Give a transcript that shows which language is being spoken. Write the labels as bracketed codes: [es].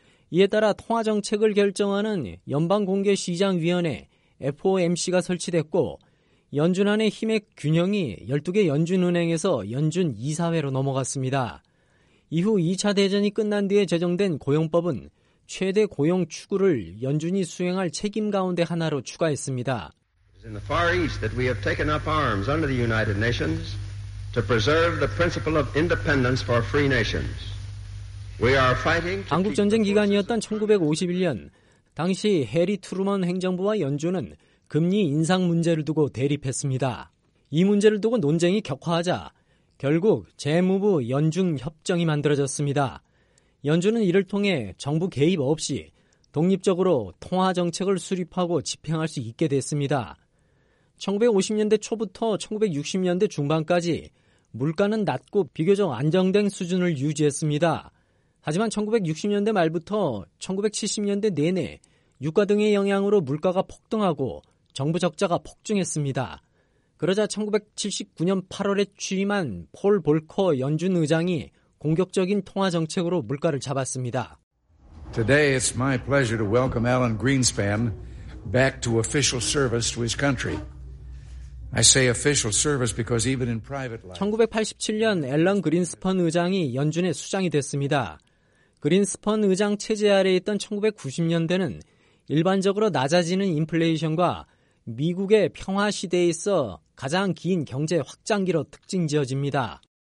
[ko] 이에 따라 통화정책을 결정하는 연방공개시장위원회 FOMC가 설치됐고 연준 안의 힘의 균형이 12개 연준은행에서 연준 이사회로 넘어갔습니다. 이후 2차 대전이 끝난 뒤에 제정된 고용법은 최대 고용 추구를 연준이 수행할 책임 가운데 하나로 추가했습니다. [en] It is in the Far East that we have taken up arms under the United Nations to preserve the principle of independence for free nations. We are fighting. [ko] 한국 전쟁 기간이었던 1951년 당시 해리 트루먼 행정부와 연준은 금리 인상 문제를 두고 대립했습니다. 이 문제를 두고 논쟁이 격화하자 결국 재무부 연중협정이 만들어졌습니다. 연준은 이를 통해 정부 개입 없이 독립적으로 통화정책을 수립하고 집행할 수 있게 됐습니다. 1950년대 초부터 1960년대 중반까지 물가는 낮고 비교적 안정된 수준을 유지했습니다. 하지만 1960년대 말부터 1970년대 내내 유가 등의 영향으로 물가가 폭등하고 정부 적자가 폭증했습니다. 그러자 1979년 8월에 취임한 폴 볼커 연준 의장이 공격적인 통화 정책으로 물가를 잡았습니다. [en] Today it's my pleasure to welcome Alan Greenspan back to official service to his country. I say official service because even in private life. [ko] 1987년 앨런 그린스펀 의장이 연준의 수장이 됐습니다. 그린스펀 의장 체제 아래 있던 1990년대는 일반적으로 낮아지는 인플레이션과 미국의 평화 시대에 있어 가장 긴 경제 확장기로 특징 지어집니다.